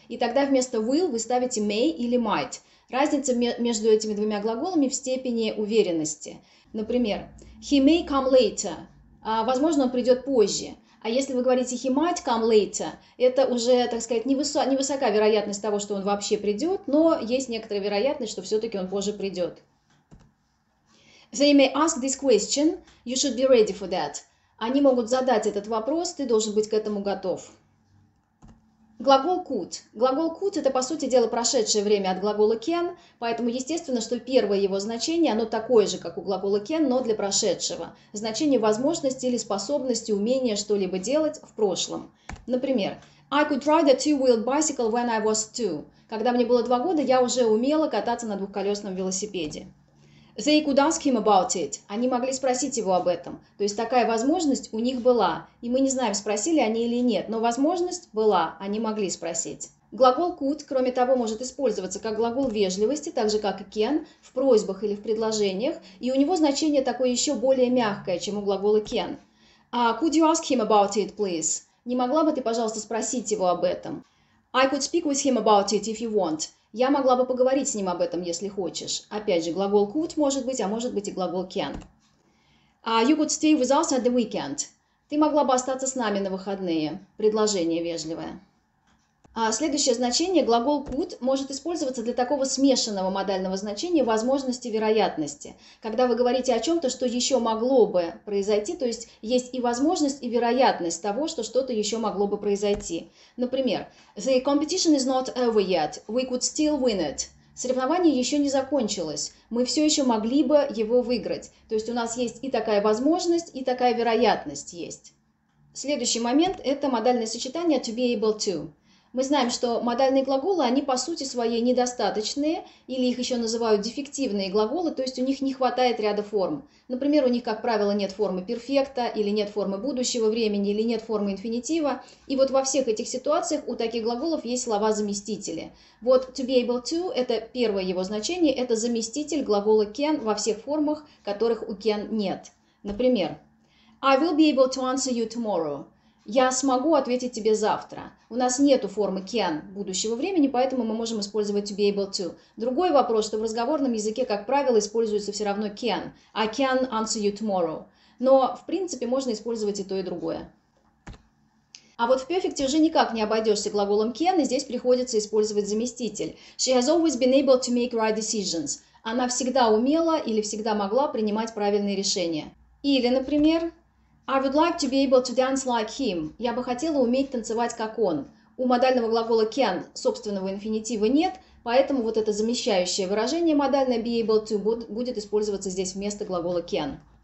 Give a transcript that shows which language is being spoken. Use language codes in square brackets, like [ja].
[ru] И тогда вместо will вы ставите may или might. Разница между этими двумя глаголами в степени уверенности. Например, [en] he may come later. [ru] Возможно, он придет позже. А если вы говорите [en] he might come later, [ru] это уже, так сказать, невысока вероятность того, что он вообще придет, но есть некоторая вероятность, что все-таки он позже придет. [en] They may ask this question, you should be ready for that. [ru] Они могут задать этот вопрос, ты должен быть к этому готов. Глагол could. Глагол could – это, по сути дела, прошедшее время от глагола can, поэтому естественно, что первое его значение, оно такое же, как у глагола can, но для прошедшего. Значение возможности или способности, умения что-либо делать в прошлом. Например, [en] I could ride a two-wheeled bicycle when I was two. [ru] Когда мне было 2 года, я уже умела кататься на двухколесном велосипеде. [en] They could ask him about it. [ru] Они могли спросить его об этом. То есть такая возможность у них была. И мы не знаем, спросили они или нет, но возможность была, они могли спросить. Глагол could, кроме того, может использоваться как глагол вежливости, так же как и can, в просьбах или в предложениях. И у него значение такое еще более мягкое, чем у глагола can. [en] Could you ask him about it, please? [ru] Не могла бы ты, пожалуйста, спросить его об этом? [en] I could speak with him about it, if you want. [ru] Я могла бы поговорить с ним об этом, если хочешь. Опять же, глагол could может быть, а может быть и глагол can. [en] You could stay with us at the weekend. [ru] Ты могла бы остаться с нами на выходные. Предложение вежливое. Следующее значение. Глагол could может использоваться для такого смешанного модального значения возможности вероятности. Когда вы говорите о чем-то, что еще могло бы произойти, то есть есть и возможность, и вероятность того, что что-то еще могло бы произойти. Например, [en] the competition is not over yet. We could still win it. [ru] Соревнование еще не закончилось. Мы все еще могли бы его выиграть. То есть у нас есть и такая возможность, и такая вероятность есть. Следующий момент – это модальное сочетание to be able to. Мы знаем, что модальные глаголы, они по сути своей недостаточные, или их еще называют дефективные глаголы, то есть у них не хватает ряда форм. Например, у них, как правило, нет формы перфекта, или нет формы будущего времени, или нет формы инфинитива. И вот во всех этих ситуациях у таких глаголов есть слова-заместители. Вот to be able to – это первое его значение, это заместитель глагола can во всех формах, которых у can нет. Например, [en] I will be able to answer you tomorrow. [ru] Я смогу ответить тебе завтра. У нас нету формы can будущего времени, поэтому мы можем использовать to be able to. Другой вопрос, что в разговорном языке, как правило, используется все равно can. [en] I can answer you tomorrow. [ru] Но, в принципе, можно использовать и то, и другое. А вот в перфекте уже никак не обойдешься глаголом can, и здесь приходится использовать заместитель. [en] She has always been able to make right decisions. [ru] Она всегда умела или всегда могла принимать правильные решения. Или, например, [en] I would like to be able to dance like him. [ru] Я бы хотела уметь танцевать, как он. У модального глагола can собственного инфинитива нет, поэтому вот это замещающее выражение модальное be able to будет использоваться здесь вместо глагола can.